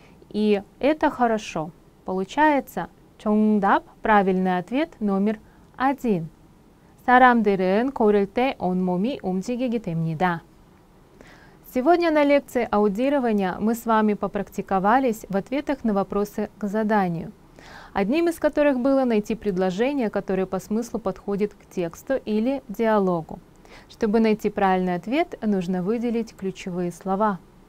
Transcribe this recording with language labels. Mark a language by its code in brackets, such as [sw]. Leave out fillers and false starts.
[ru] И это хорошо. Получается, чонгдап, правильный ответ номер один. [ko] 사람들은 걸을 때 온몸이 움직이게 됩니다. [ru] Сегодня на лекции аудирования мы с вами попрактиковались в ответах на вопросы к заданию, одним из которых было найти предложение, которое по смыслу подходит к тексту или диалогу. Чтобы найти правильный ответ, нужно выделить ключевые слова.